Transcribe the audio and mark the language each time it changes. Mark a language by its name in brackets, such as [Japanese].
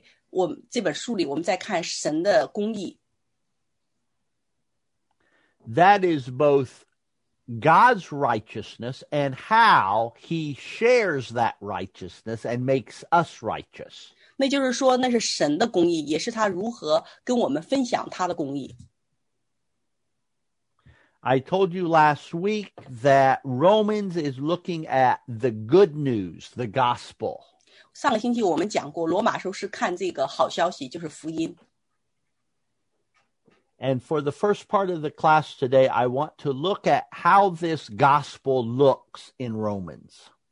[Chinese] 在罗马书，保罗是在我们这本书里，我们在看神的公义。 [English] That is both God's righteousness and how he shares that righteousness and makes us righteous. [Chinese] 那就是说那是神的公义，也是他如何跟我们分享他的公义。 [English] I told you last week that Romans is looking at the good news, the gospel. [Chinese] 上个星期我们讲过，罗马书是看这个好消息，就是福音。 [English] And for the first part of the class today, I want to look at how this gospel looks in Romans.